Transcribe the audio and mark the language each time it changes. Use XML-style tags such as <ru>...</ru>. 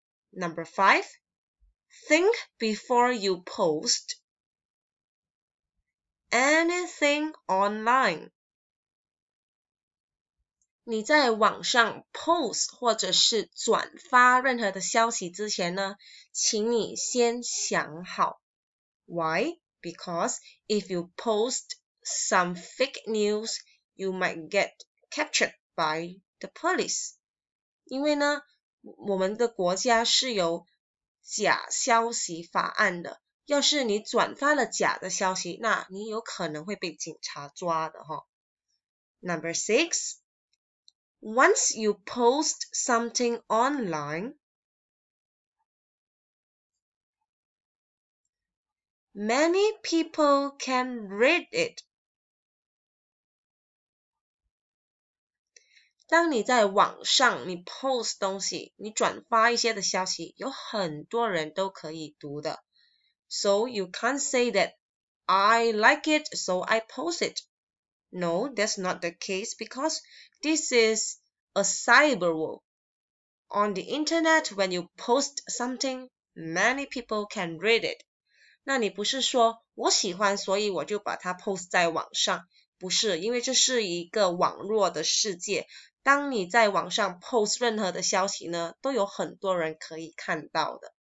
<en>Number 5, think before you post anything online.</en> <zh>你在网上 post 或者是转发任何的消息之前呢？请你先想好。</zh> <en>Why? Because if you post some fake news, you might get captured by the police.</en> <zh>因为呢，我们的国家是有假消息法案的。要是你转发了假的消息，那你有可能会被警察抓的哈。</zh> <en>Number six, once you post something online, many people can read it.</en> <zh>当你在网上你 post 东西，你转发一些的消息，有很多人都可以读的。</zh> <en>So you can't say that I like it, so I post it. No, that's not the case because this is a cyber war. On the internet, when you post something, many people can read it.</en> <zh>那你不是说我喜欢，所以我就把它 post 在网上？不是，因为这是一个网络的世界。当你在网上 post 任何的消息呢，都有很多人可以看到的。</zh>